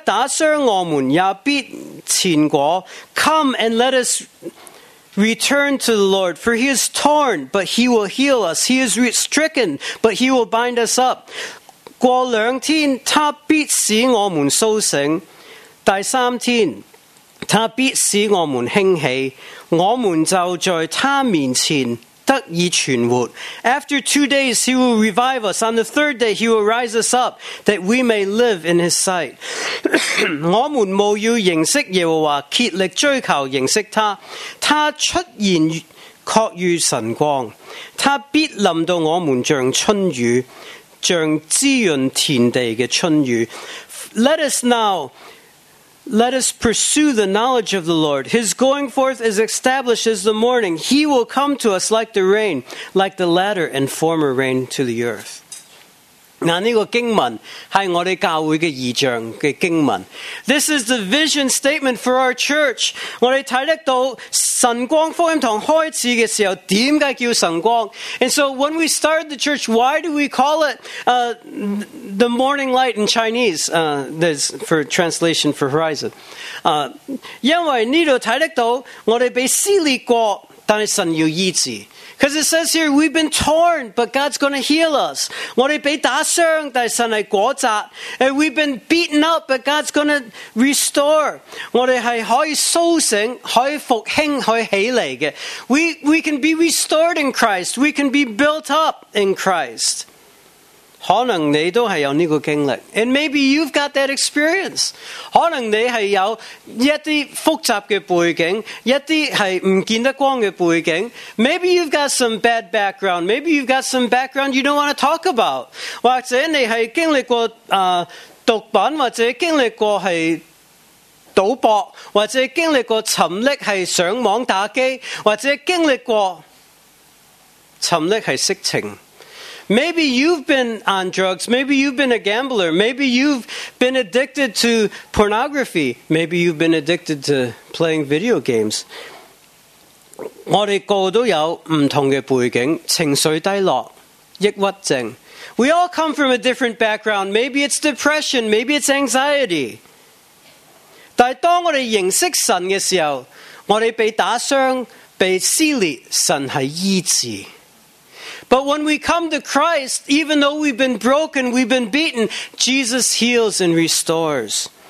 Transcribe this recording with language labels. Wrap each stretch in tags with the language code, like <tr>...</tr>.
<zh>来吧，我们归向耶和华，他撕裂我们，也必医治，他打伤我们，也必缠裹.</zh> <en>Come and let us return to the Lord, for he is torn, but he will heal us. He is stricken, but he will bind us up.</en> <zh>过两天，他必使我们苏醒。第三天，他必使我们兴起，我们就在他面前得以存活。</zh> <en>After 2 days, he will revive us. On the third day, he will rise us up that we may live in his sight.</en> <zh>我们务要认识耶和华，竭力追求认识他。他出现确如晨光，他必临到我们像春雨，像滋润田地的春雨。</zh> <en>Let us pursue the knowledge of the Lord. His going forth is established as the morning. He will come to us like the rain, like the latter and former rain to the earth.</en> <zh>这个经文是我们教会的异象的经文。</zh> <en>This is the vision statement for our church.</en> <zh>我们看到神光福音堂开始的时候，为什么叫神光？</zh> <en>And so when we started the church, why do we call it the morning light in Chinese? That's for translation for horizon.</en> <zh>因为这里看到我们被撕裂过，但是神要医治。</zh> <en>Because it says here, we've been torn, but God's going to heal us.</en> <zh>我们被打伤，但神是果子。</zh> <en>And we've been beaten up, but God's going to restore.</en> <zh>我们是可以苏醒，可以复兴，可以起来的。</zh> <en>We can be restored in Christ. We can be built up in Christ.</en> <zh>可能你都是有这个经历。</zh> <en>And maybe you've got that experience.</en> <zh>可能你是有一些复杂的背景，一些是不见得光的背景。</zh> <en>Maybe you've got some bad background. Maybe you've got some background you don't want to talk about.</en> <zh>或者你是经历过毒品，或者经历过是赌博，或者经历过沉溺是上网打机，或者经历过沉溺是色情。</zh> <en>Maybe you've been on drugs. Maybe you've been a gambler. Maybe you've been addicted to pornography. Maybe you've been addicted to playing video games.</en> <zh>我们个都有不同的背景，情绪低落，抑郁症。</zh> <en>We all come from a different background. Maybe it's depression. Maybe it's anxiety.</en> <zh>但当我们认识神的时候，我们被打伤，被撕裂，神是医治。</zh> <en>But when we come to Christ, even though we've been broken, we've been beaten, Jesus heals and restores.</en>